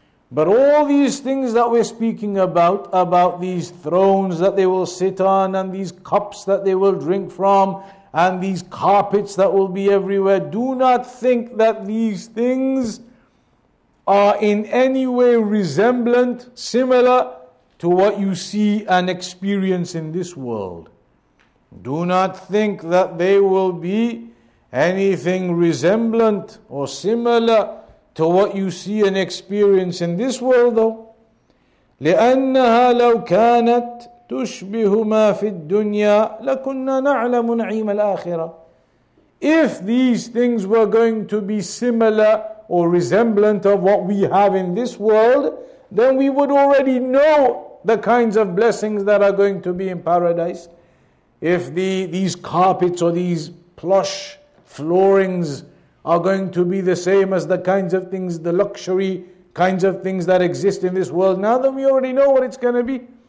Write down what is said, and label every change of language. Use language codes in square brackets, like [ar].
[en] But all these things that we're speaking about these thrones that they will sit on, and these cups that they will drink from, and these carpets that will be everywhere, do not think that these things are in any way resemblant, similar to what you see and experience in this world. Do not think that they will be anything resemblant or similar to what you see and experience in this world though. [ar] لأنها لو كانت تشبه ما في الدنيا لكنا نعلم نعيم الآخرة. [en] If these things were going to be similar or resemblant of what we have in this world, then we would already know the kinds of blessings that are going to be in paradise. If these carpets or these plush floorings are going to be the same as the kinds of things, the luxury kinds of things that exist in this world, now then we already know what it's going to be.